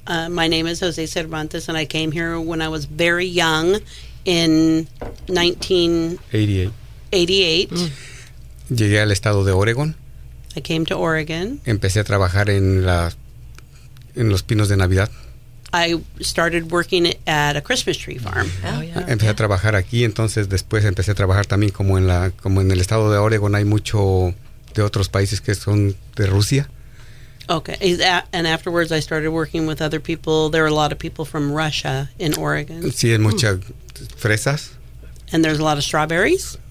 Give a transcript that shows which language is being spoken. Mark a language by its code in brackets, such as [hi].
[en] My name is José Cervantes, and I came here when I was very young in 1988. Mm. [es] Llegué al estado de Oregon. [en] I came to Oregon. [es] Empecé a trabajar en los pinos de Navidad. [en] I started working at a Christmas tree farm. Oh, yeah. [es] Empecé a trabajar aquí, entonces después empecé a trabajar también como en el estado de Oregon hay mucho de otros países que son de Rusia. [en] Okay. And afterwards, I started working with other people. There are a lot of people from Russia in Oregon. [es] Sí, hay muchas fresas. [en] And there's a lot of strawberries.